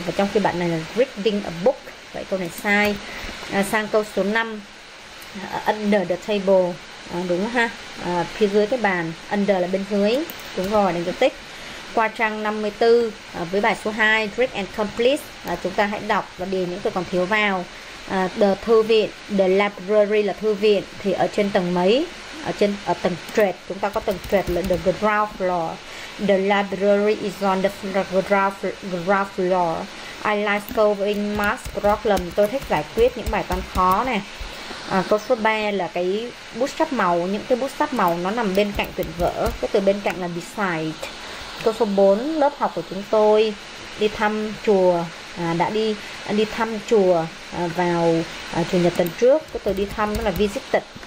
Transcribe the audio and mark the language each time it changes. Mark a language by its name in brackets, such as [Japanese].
[Vietnamese] Và trong khi bạn này là [English] reading a book, [Vietnamese] vậy câu này sai. Sang câu số 5, [English] under the table, [Vietnamese] đúng ha, phía dưới cái bàn, under là bên dưới, đúng rồi, đánh dấu tích. Qua trang 54 với bài số 2, read and complete, chúng ta hãy đọc và điền những từ còn thiếu vào. The thư viện, the library là thư viện, thì ở trên tầng mấy, ở tầng trệt, chúng ta có tầng trệt là [English] the ground floor. The library is on the ground floor. I like solving math problem, [Vietnamese] tôi thích giải quyết những bài toán khó nè. Câu số 3 là cái bút sáp màu, những cái bút sáp màu nó nằm bên cạnh quyển vở, cái từ bên cạnh là beside. Câu số 4, lớp học của chúng tôi đi thăm chùa, đã đi thăm chùa vào chủ nhật tuần trước, cái từ đi thăm nó là visited.